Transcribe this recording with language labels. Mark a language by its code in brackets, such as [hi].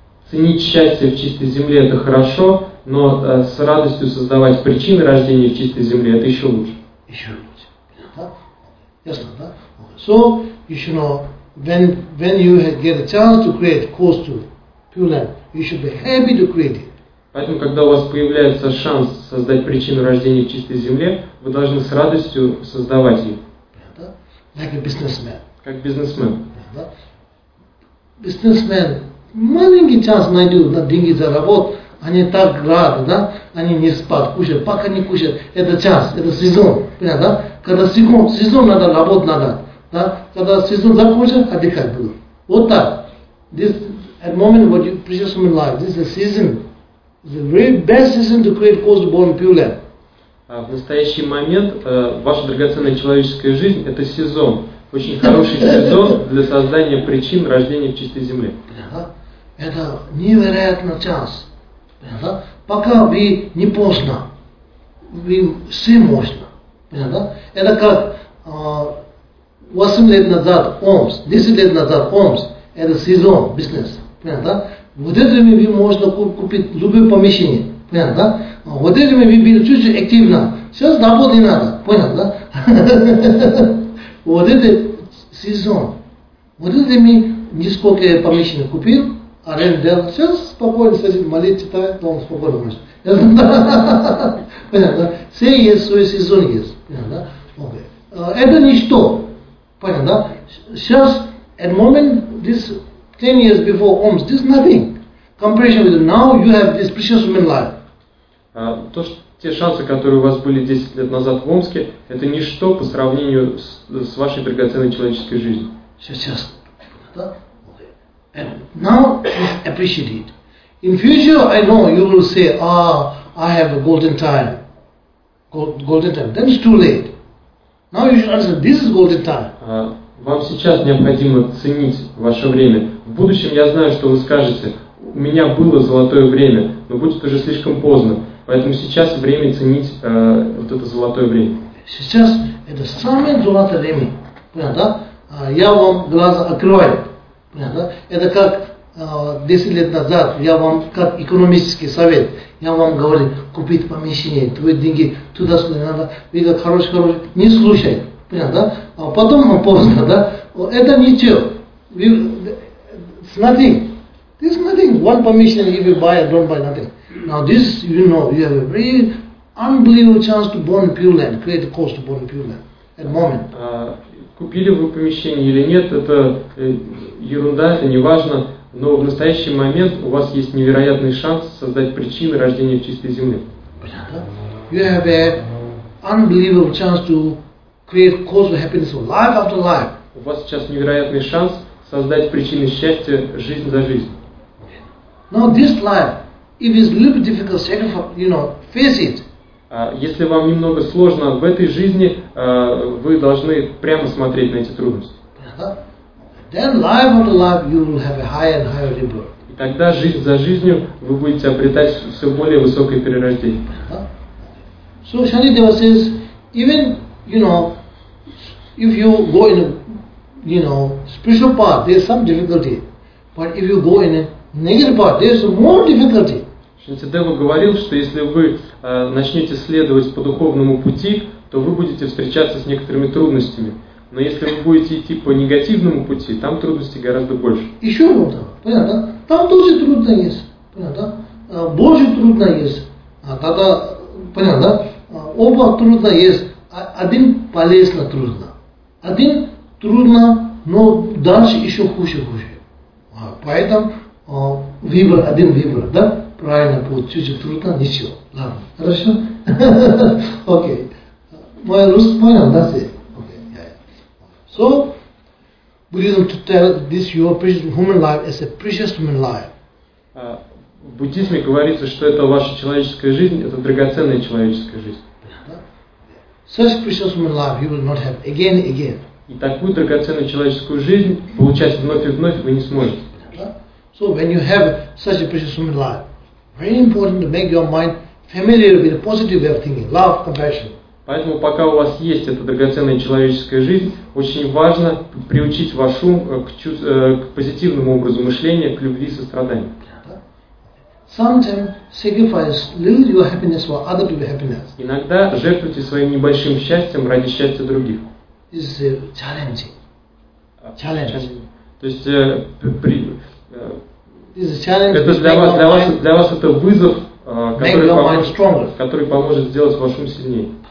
[ru] Ценить счастье в чистой земле это хорошо, но с радостью создавать причины рождения в чистой земле это еще лучше. Еще лучше. Ясно, да? [en] So you should know. When you get a chance to create cause to pure land, you should be happy to create it. [ru] Поэтому, когда у вас появляется шанс создать причину рождения в чистой земле, вы должны с радостью создавать ее. [en] Like a businessman. [ru] Как бизнесмен. Businessman, маленький шанс найду на деньги заработать, Они так рады, да? Они не спят, кушают, пока не кушают. Это час, это сезон, понятно, да? Когда сезон надо, работать надо. Да? Когда сезон закончен, отдыхать буду. Вот так. [en] This, at moment, what you precious human life, this is a season. The very best season to create cause born pure. [ru] В настоящий момент ваша драгоценная человеческая жизнь – это сезон. Очень хороший сезон для создания причин рождения в чистой земле. Это невероятный час. Пока вы не поздно, вы все можно. Это как 8 лет назад Омс, 10 лет назад Омс – это сезон, бизнес. Вот это вы можно купить любое помещение. Понятно, да? Вот этим мы были чуть-чуть активно. Сейчас работать не надо. Понятно, да? Вот это сезон. Вот это мы несколько помещений купил, арендел. Сейчас спокойно сидит, молит, читает, дом спокойно может. Понятно, да? Все есть, свой сезон есть. Понятно, да? Okay. Это ничто. Понятно, да? Сейчас, [en] at moment, this 10 years before OMS, this nothing. Comparison with now, you have this precious human life. [ru] То, что те шансы, которые у вас были 10 лет назад в Омске, это ничто по сравнению с вашей драгоценной человеческой жизнью. Сейчас. Да? [en] Okay. And now, appreciate it. In future, I know you will say, ah, I have a golden time. Golden time. Then it's too late. Now you should understand, this is golden time. [ru] Вам сейчас необходимо ценить ваше время. В будущем я знаю, что вы скажете, у меня было золотое время, но будет уже слишком поздно. Поэтому сейчас время ценить вот это золотое время. Сейчас это самое золотое время. Понятно, да? Я вам глаза открываю. Понятно, да? Это как 10 лет назад, я вам, как экономический совет, я вам говорил, купить помещение, твои деньги туда-сюда надо, видно, хороший, не слушай. Понятно, да? А потом поздно, да? Это ничего. [en] It's nothing. This nothing. One permission, if you buy, don't buy nothing. Now this, you know, you have a very unbelievable chance to born pure land, create a cause to born pure land. At moment. [ru] Купили вы помещение или нет, это ерунда, это не важно. Но в настоящий момент у вас есть невероятный шанс создать причины рождения в чистой земле. Понятно? [en] You have a unbelievable chance to create cause for happiness for life after life. [ru] У вас сейчас невероятный шанс создать причины счастья жизнь за жизнь. [en] Now this life, if it's a little bit difficult, sacrifice, you know, face it. [ru] Если вам немного сложно в этой жизни, вы должны прямо смотреть на эти трудности. [en] Then life after life, you will have a higher and higher rebirth. [ru] И тогда жизнь за жизнью вы будете обретать все более высокое перерождение. [en] So Shani Deva says, even you know, if you go in a, you know, spiritual path, there's some difficulty. But if you go in a negative path, there's more difficulty. [ru] Шанти Дева говорил, что если вы начнете следовать по духовному пути, то вы будете встречаться с некоторыми трудностями. Но если вы будете идти по негативному пути, там трудностей гораздо больше. Еще вот так, понятно? Там тоже трудно есть, понятно? Больше трудно есть. А тогда, понятно? Оба трудно есть. Один полезно трудно. Один трудно, но дальше еще хуже. Поэтому выбор, один выбор, да? Правильно будет, чуть-чуть трудно, ничего. Ладно, хорошо? Окей. Моя русская понял, да? Окей. [en] So, Buddhism to tell this your precious human life as a precious human life. [ru] В буддизме говорится, что это ваша человеческая жизнь, это драгоценная человеческая жизнь. [en] Such precious human life you will not have again and again. [ru] И такую драгоценную человеческую жизнь получать вновь и вновь вы не сможете. [en] So when you have such a precious human life, very important to make your mind familiar with the positive way of thinking, love, compassion. [ru] Поэтому пока у вас есть эта драгоценная человеческая жизнь, очень важно приучить ваш ум к позитивному образу мышления, к любви и состраданию. [en] Sometimes sacrifice, lose your happiness for other people's happiness. [ru] Иногда жертвуйте своим небольшим счастьем ради счастья других. [en] This is challenging. [ru] То есть для вас это вызов, который поможет сделать ваш ум сильнее.